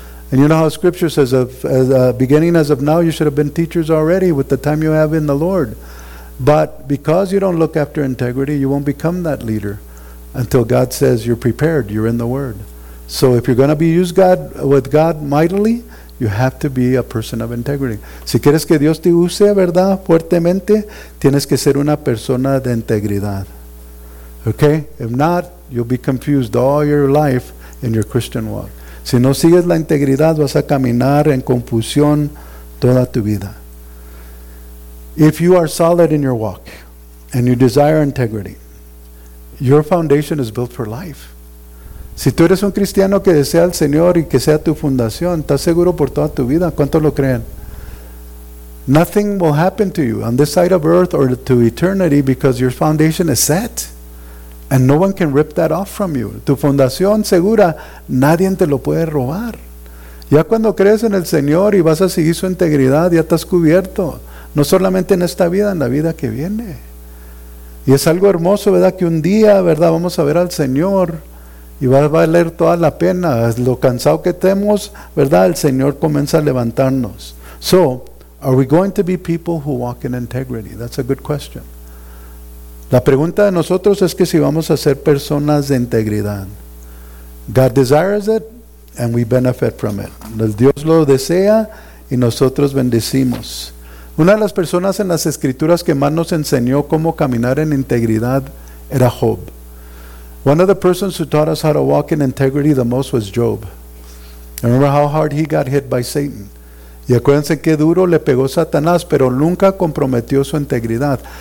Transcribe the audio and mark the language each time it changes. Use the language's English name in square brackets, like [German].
[English] And you know how Scripture says, beginning as of now, you should have been teachers already with the time you have in the Lord. But because you don't look after integrity, you won't become that leader until God says you're prepared, you're in the Word. So if you're going to be used with God mightily, you have to be a person of integrity. [Spanish] Si quieres que Dios te use, ¿verdad?, fuertemente, tienes que ser una persona de integridad. [English] Okay? If not, you'll be confused all your life in your Christian walk. [Spanish] Si no sigues la integridad, vas a caminar en confusión toda tu vida. [English] If you are solid in your walk and you desire integrity, your foundation is built for life. [Spanish] Si tú eres un cristiano que desea al Señor y que sea tu fundación, estás seguro por toda tu vida. ¿Cuántos lo creen? [English] Nothing will happen to you on this side of earth or to eternity, because your foundation is set. And no one can rip that off from you. [Spanish] Tu fundación segura, nadie te lo puede robar. Ya cuando crees en el Señor y vas a seguir su integridad, ya estás cubierto. No solamente en esta vida, en la vida que viene. Y es algo hermoso, ¿verdad? Que un día, ¿verdad? Vamos a ver al Señor y va a valer toda la pena. Lo cansado que estemos, ¿verdad? El Señor comienza a levantarnos. [English] So, are we going to be people who walk in integrity? That's a good question. [Spanish] La pregunta de nosotros es que si vamos a ser personas de integridad. [English] God desires it and we benefit from it. [Spanish] Dios lo desea y nosotros bendecimos. Una de las personas en las escrituras que más nos enseñó cómo caminar en integridad era Job. [English] One of the persons who taught us how to walk in integrity the most was Job. Remember how hard he got hit by Satan. [Spanish] Y acuérdense qué duro le pegó Satanás, pero nunca comprometió su integridad.